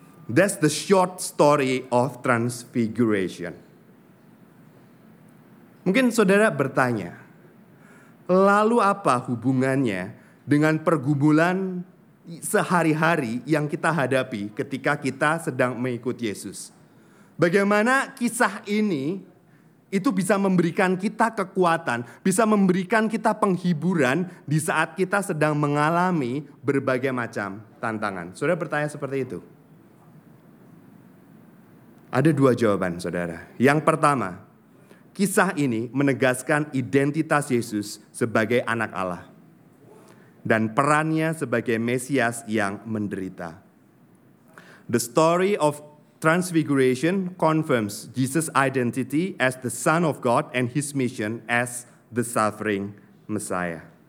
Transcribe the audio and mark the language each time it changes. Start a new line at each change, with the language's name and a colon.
English: That's the short story of transfiguration.
Indonesian: Mungkin saudara bertanya, lalu apa hubungannya dengan pergumulan sehari-hari yang kita hadapi ketika kita sedang mengikuti Yesus? Bagaimana kisah ini itu bisa memberikan kita kekuatan, bisa memberikan kita penghiburan di saat kita sedang mengalami berbagai macam tantangan? Saudara bertanya seperti itu. Ada dua jawaban, saudara. Yang pertama, kisah ini menegaskan identitas Yesus sebagai anak Allah dan perannya sebagai Mesias yang menderita.
English: The story of Transfiguration confirms Jesus' identity as the Son of God and his mission as the suffering Messiah.